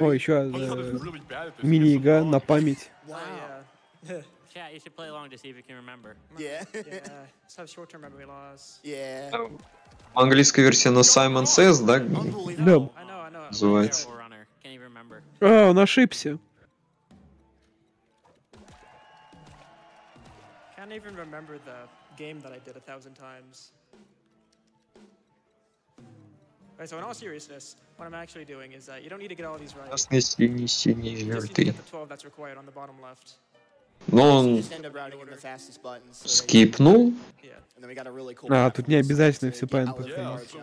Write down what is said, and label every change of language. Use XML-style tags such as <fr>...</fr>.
<ru>Oh, еще мини игра на память.</ru> <en>Wow. Chat, you should play along to see if you can remember. Yeah. Yeah. Have short-term memory loss. Yeah.</en> <ru>Английская версия на Simon Says, да? Да. Называется.</ru> <en>Can't even remember.</en> <ru>А, он ошибся.</ru> <en>I can't even remember the game that I did 1,000 times. Alright, so in all seriousness, what I'm actually doing is that you don't need to get all these right. Just need to get the 12 that's required on the bottom left. No, skip, no? Yeah, and then we got a really cool...</en> <ru>Ah, тут не обязательно все правильно повторять.</ru>